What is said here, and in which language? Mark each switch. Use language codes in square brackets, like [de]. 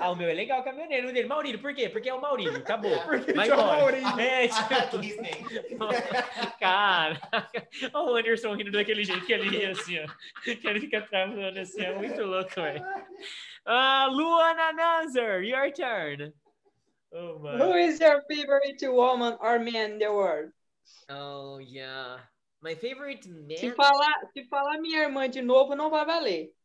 [pt] Ah, o meu é legal, o caminhoneiro dele. Maurílio, por quê? Porque é o Maurílio, acabou. Vai embora. Caraca. Olha o Anderson rindo daquele jeito que ele ri assim, ó. Que ele fica travando assim, é muito louco, velho. [en] Luana Nazar, your turn. Oh, who is your favorite woman or man in the world? Oh, yeah. My favorite man... [pt] Se falar minha irmã de novo, não vai valer.